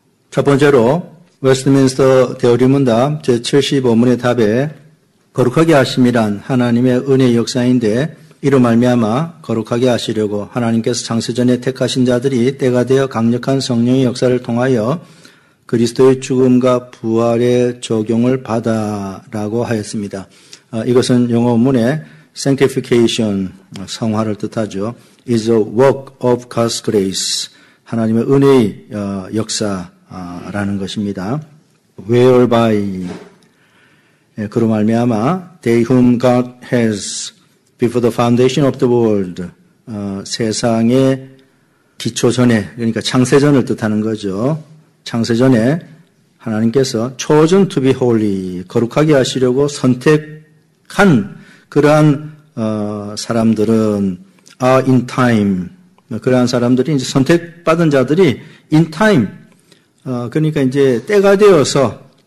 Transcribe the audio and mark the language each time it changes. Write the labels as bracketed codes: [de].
[ko] 첫 번째로 웨스트민스터 대열이문답 제75문의 답에 거룩하게 하심이란 하나님의 은혜의 역사인데 이로 말미암아 거룩하게 하시려고 하나님께서 창세전에 택하신 자들이 때가 되어 강력한 성령의 역사를 통하여 그리스도의 죽음과 부활의 적용을 받아라고 하였습니다. 이것은 영어 문에 sanctification, 성화를 뜻하죠. [en] is a work of God's grace, [ko] 하나님의 은혜의 역사. 라는 것입니다. [en] whereby [ko] 그로 말미암아 [en] they whom God has before the foundation of the world [ko] 세상의 기초 전에 그러니까 창세전을 뜻하는 거죠. 창세전에 하나님께서 [en] chosen to be holy [ko] 거룩하게 하시려고 선택한 그러한 사람들은 [en] are in time [ko] 그러한 사람들이 이제 선택받은 자들이 [en] in time [ko] 그러니까 이제 때가 되어서